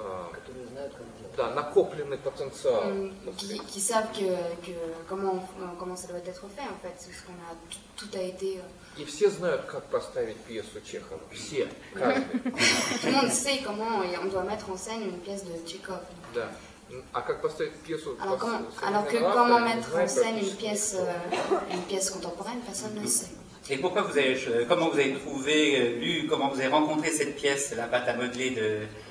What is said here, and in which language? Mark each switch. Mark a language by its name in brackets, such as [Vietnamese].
[Russian] Которые знают, как делать. Да, накопленный потенциал. [French] Qui savent que comment ça doit être fait, en fait, c'est ce qu'on a tout a été. [Russian] И все знают, как поставить пьесу Чехова. Все, каждый. [French] Tout le monde sait comment on doit mettre en scène une pièce de Tchekhov. [Russian] Да. А как поставить пьесу? [French] Alors que comment mettre en scène une pièce contemporaine, personne ne sait. Et pourquoi vous avez, comment vous avez trouvé, lu, comment vous avez rencontré cette pièce, la pâte à modeler de